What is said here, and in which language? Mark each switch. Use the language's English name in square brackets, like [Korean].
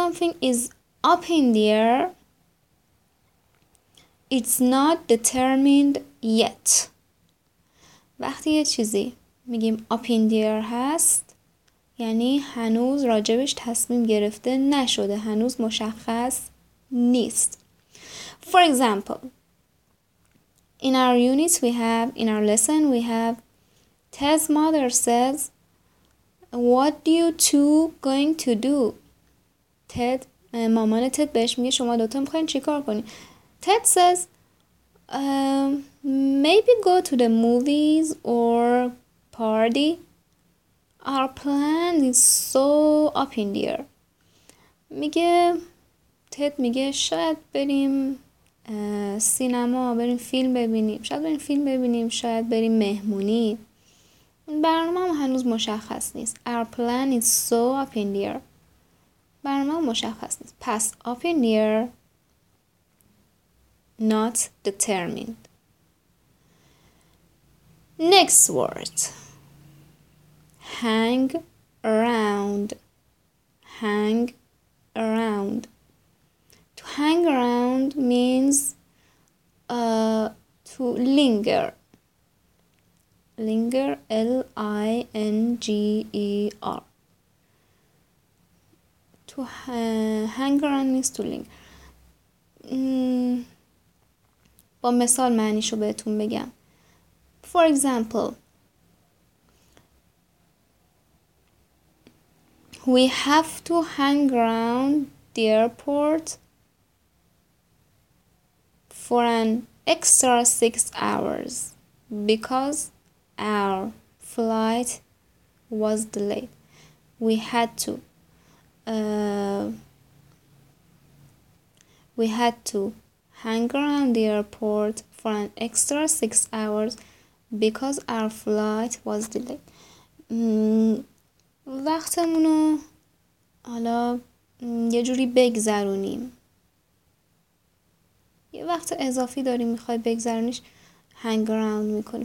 [English] When something is up in the air, it's not determined yet. [Persian] وقتی یه چیزی میگیم [English] up in the air [Persian] هست، یعنی هنوز راجبش تصمیم گرفته نشده، هنوز مشخص نیست. [English] For example, in our lesson we have Ted's mother says, what are you two going to do? [Persian] Ted, مامان تد بهش میگه شما دوتا میخواین چی کار کنی؟ [English] Ted says, maybe go to the movies or party. Our plan is so up in the air. میگه [Persian] تد میگه شاید بریم سینما، بریم فیلم ببینیم، شاید بریم فیلم ببینیم، شاید بریم مهمونی. برنامه هم هنوز مشخص نیست. [English] Our plan is so up in the air. [Persian] برنامه هم مشخص نیست. پس [English] up in the air not determined. Next word. Hang around. Hang around. To hang around means to linger. Linger, linger. To hang around means to linger. [Persian] با مثال معنیشو بهتون بگم. [English] For example, we have to hang around the airport for an extra 6 hours because our flight was delayed. We had to hang around the airport for an extra 6 hours because our flight was delayed. [Persian] وقتمونو حالا یه جوری بگذرونیم، یه وقت اضافی داریم، میخوای بگذرونیش، hang around میکنی.